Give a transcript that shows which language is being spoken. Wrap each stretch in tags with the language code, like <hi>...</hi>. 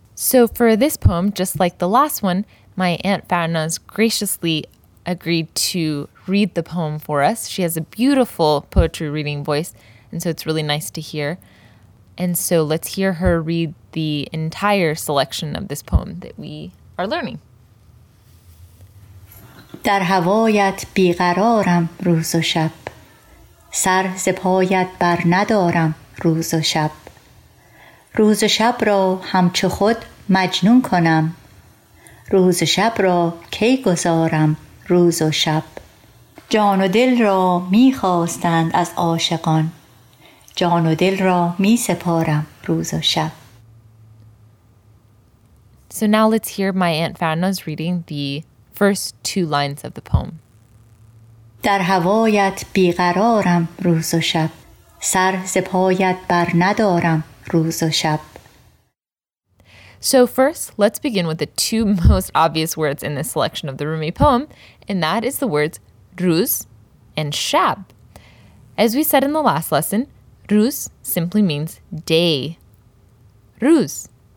<en>So for this poem, just like the last one, my Aunt Farnaz graciously agreed to read the poem for us. She has a beautiful poetry reading voice, and so it's really nice to hear. And so let's hear her read the entire selection of this poem that we are learning.</en> <fa>در هوایت بیقرارم روز و شب، سر ز پایت بر ندارم روز و شب، روز و شب را همچو خود مجنون کنم، روز و شب را کی گذارم روز و شب. جان و دل را می خواستند از عاشقان، جان و دل را می سپارم روز و شب.</fa> <en>So now let's hear my Aunt Farnaz reading the first two lines of the poem.</en> <fa>در هوایت بیقرارم روز و شب، سر ز پایت بر ندارم روز و شب.</fa> <en>So first, let's begin with the two most obvious words in this selection of the Rumi poem, and that is the words ruz and shab. As we said in the last lesson, ruz simply means day. Ruz.</en>